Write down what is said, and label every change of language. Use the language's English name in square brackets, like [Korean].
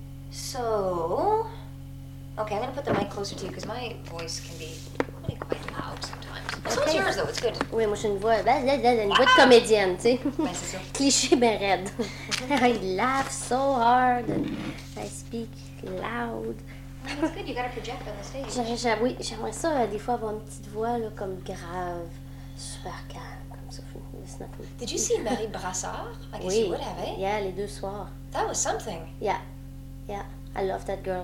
[English] So, okay, I'm gonna put the mic closer to you because my voice can be really quite loud sometimes. Okay. So it's yours though, it's good. [French] Oui, moi j'ai une voix, ben, ben, ben, une voix de comédienne, tu sais. Ben, cliché, ben raide. [English] I laugh so hard. I speak loud. It's good, you gotta project on the stage. [French] Oui, j'aimerais ça, des fois, avoir une petite voix, là, comme grave, super calme, comme ça. [English] Did you see Marie Brassard? I guess oui. You would have, eh? [French] Yeah, les deux soirs. [English] That was something. Yeah, yeah. I love that girl.